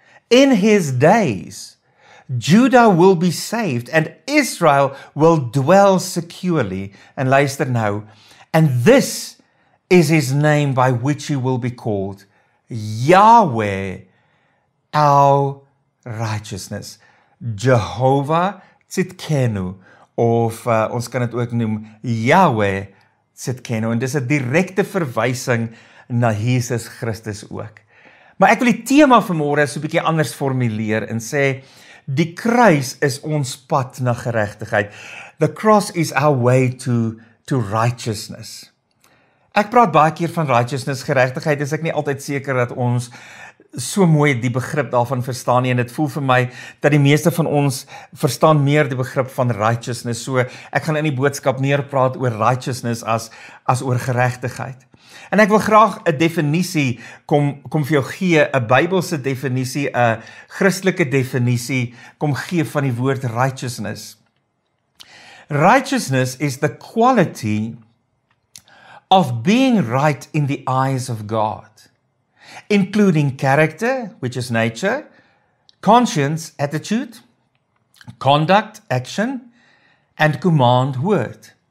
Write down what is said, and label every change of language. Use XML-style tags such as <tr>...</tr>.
<en>In his days, Judah will be saved and Israel will dwell securely. And</en> <af>luister nou,</af> <en>and this is his name by which he will be called, Yahweh, our righteousness.</en> <af>Jehovah Tsidkenu, of ons kan het ook noem Yahweh Tsidkenu. En dis 'n direkte verwysing na Jesus Christus ook. Maar ek wil die tema vanmôre so 'n bietjie anders formuleer en sê die kruis is ons pad na geregtigheid.</af> <en>The cross is our way to righteousness.</en> <af>Ek praat baie keer van righteousness, geregtigheid, is ek nie altyd seker dat ons so mooi die begrip daarvan verstaan nie, en dit voel vir my dat die meeste van ons verstaan meer die begrip van righteousness. So ek gaan in die boodskap meer praat oor righteousness as oor geregtigheid. En ek wil graag 'n definisie kom vir jou gee, 'n Bybelse definisie, 'n Christelike definisie kom gee van die woord righteousness.</af> <en>Righteousness is the quality of being right in the eyes of God, including character, which is nature, conscience, attitude, conduct, action, and command, word.</en>